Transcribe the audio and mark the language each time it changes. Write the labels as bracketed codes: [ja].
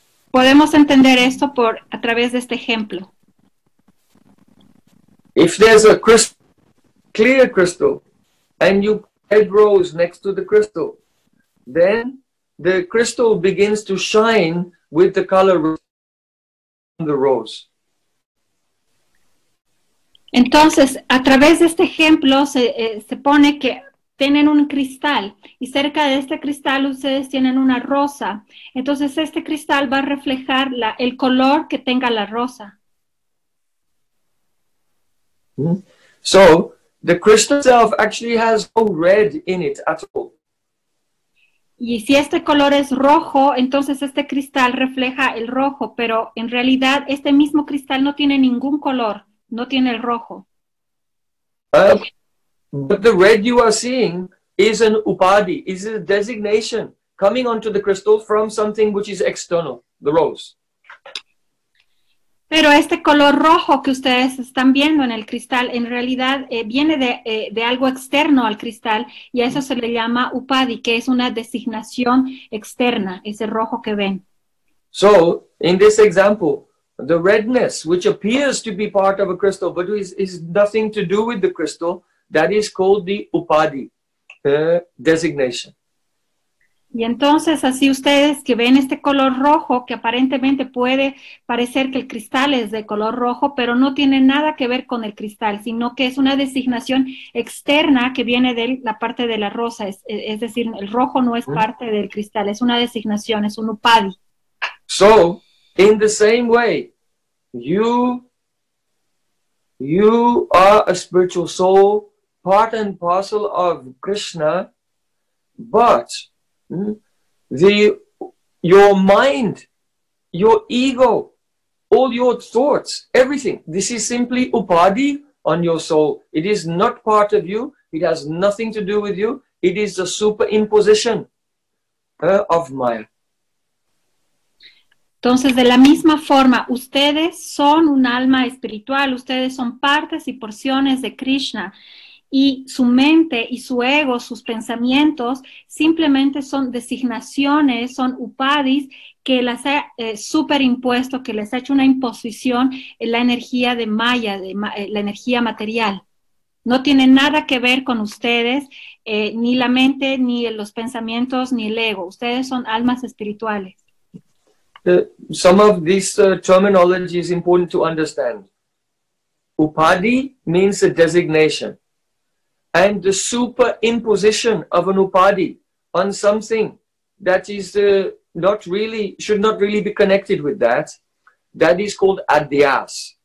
[es] Podemos entender esto por a través de este ejemplo. [en] If there's a crystal, clear crystal, and you add rose next to the crystal, then the crystal begins to shine with the color of the rose. [es] Entonces, a través de este ejemplo, se pone que tienen un cristal y cerca de este cristal ustedes tienen una rosa. Entonces, este cristal va a reflejar el color que tenga la rosa. [en] So, the crystal itself actually has no red in it at all. [es] Y si este color es rojo, entonces este cristal refleja el rojo, pero en realidad este mismo cristal no tiene ningún color. No tiene el rojo. [en] But the red you are seeing is an upadhi, is a designation coming onto the crystal from something which is external, the rose. [es] Pero este color rojo que ustedes están viendo en el cristal, en realidad viene de algo externo al cristal, y a eso se le llama upadhi, que es una designación externa, ese rojo que ven. [en] So, in this example, the redness, which appears to be part of a crystal, but is nothing to do with the crystal, that is called the upadhi, designation. [es] Y entonces, así ustedes que ven este color rojo, que aparentemente puede parecer que el cristal es de color rojo, pero no tiene nada que ver con el cristal, sino que es una designación externa que viene de la parte de la rosa. Es decir, el rojo no es parte del cristal, es una designación, es un upadhi. [en] So, in the same way, you are a spiritual soul, part and parcel of Krishna, but your mind, your ego, all your thoughts, everything, this is simply upadhi on your soul. It is not part of you. It has nothing to do with you. It is a superimposition of Maya. [es] Entonces, de la misma forma, ustedes son un alma espiritual, ustedes son partes y porciones de Krishna, y su mente y su ego, sus pensamientos, simplemente son designaciones, son upadis que las ha superimpuesto, que les ha hecho una imposición en la energía de Maya, la energía material. No tiene nada que ver con ustedes, ni la mente, ni los pensamientos, ni el ego. Ustedes son almas espirituales. [en] Some of this terminology is important to understand. Upadhi means a designation. And the superimposition of an upadhi on something that is should not really be connected with that is called adhyas.